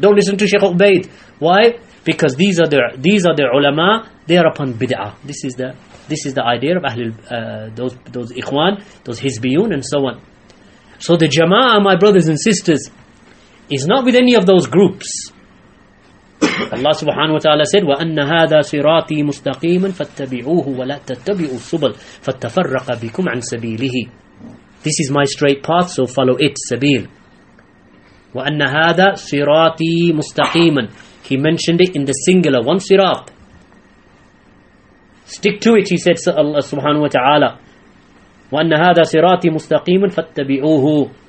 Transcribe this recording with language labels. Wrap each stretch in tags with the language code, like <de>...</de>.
<en>Don't listen to Sheikh Ubaid. Why? Because these are the ulama. They are upon bid'ah. This is the idea of Ahlul, those Ikhwan, those Hizbiyun, and so on. So the Jama'ah, my brothers and sisters, is not with any of those groups. Allah subhanahu wa ta'ala said,</en> <ar>وَأَنَّ هَذَا صِرَاطِي مُسْتَقِيمًا فَاتَّبِعُوهُ وَلَا تَتَّبِعُوا السُّبَلْ فَاتَّفَرَّقَ بِكُمْ عَنْ سَبِيلِهِ.</ar> <en>This is my straight path, so follow it, sabil.</en> <ar>وَأَنَّ هَذَا صِرَاطِي مُسْتَقِيمًا.</ar> <en>He mentioned it in the singular, one sirat. Stick to it, he said, Allah subhanahu wa ta'ala.</en> <ar>وَأَنَّ هَذَا صِرَاطِي مُسْتَقِيمًا فَاتَّبِعُوهُ.</ar>